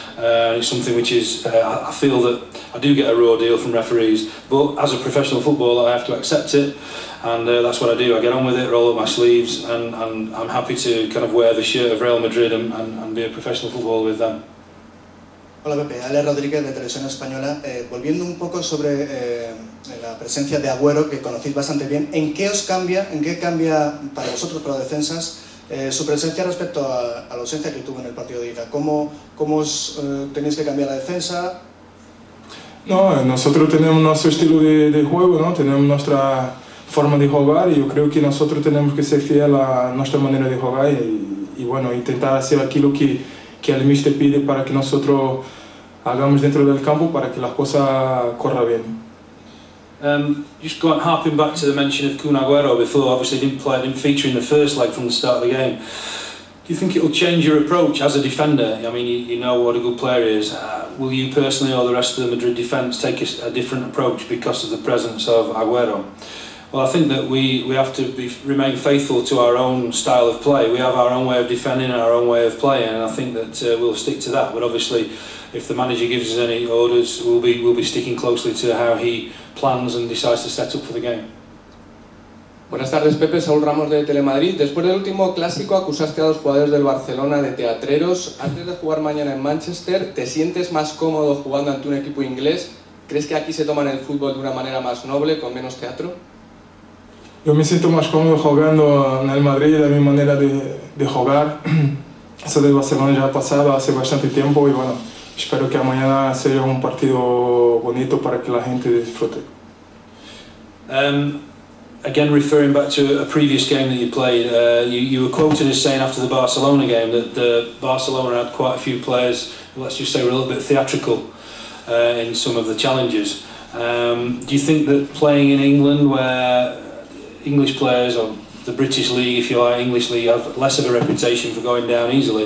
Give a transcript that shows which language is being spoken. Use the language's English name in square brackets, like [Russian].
[English] It's something which is, I feel that I do get a raw deal from referees. But as a professional footballer, I have to accept it. And that's what I do. I get on with it, roll up my sleeves, and I'm happy to kind of wear the shirt of Real Madrid and be a professional footballer with them. [Spanish] Hola Pepe, Ale Rodríguez de Televisión Española. Volviendo un poco sobre la presencia de Agüero, que conocéis bastante bien, ¿en qué os cambia, en qué cambia para vosotros, para defensas, su presencia respecto a la ausencia que tuvo en el partido de ida? ¿Cómo tenéis que cambiar la defensa? No, nosotros tenemos nuestro estilo de juego, ¿no? Tenemos nuestra forma de jugar y yo creo que nosotros tenemos que ser fiel a nuestra manera de jugar y bueno, intentar hacer aquello que el míster pide para que nosotros hagamos dentro del campo para que las cosas corra bien. [English] Just going harping back to the mention of Kun Agüero before, obviously didn't feature in the first leg from the start of the game. Do you think it will change your approach as a defender? I mean, you know what a good player is. Will you personally or the rest of the Madrid defense take a different approach because of the presence of Agüero? Well, I think that we have to remain faithful to our own style of play. We have our own way of defending and our own way of playing, and I think that we'll stick to that. But obviously, if the manager gives us any orders, we'll be sticking closely to how he plans and decides to set up for the game. [Spanish] Buenas tardes, Pepe. Saúl Ramos de Telemadrid. Después del último clásico, acusaste a los jugadores del Barcelona de teatreros. Antes de jugar mañana en Manchester, ¿te sientes más cómodo jugando ante un equipo inglés? ¿Crees que aquí se toman el fútbol de una manera más noble, con menos teatro? Yo me siento más cómodo jugando en el Madrid, de mi manera de jugar. Eso de Barcelona ya ha pasado hace bastante tiempo y bueno, espero que mañana sea un partido bonito para que la gente disfrute. [English] Again, referring back to a previous game that you played, you were quoted as saying after the Barcelona game that the Barcelona had quite a few players, let's just say, were a little bit theatrical in some of the challenges. Do you think that playing in England, where English players, or the British League, if you like, English League, have less of a reputation for going down easily.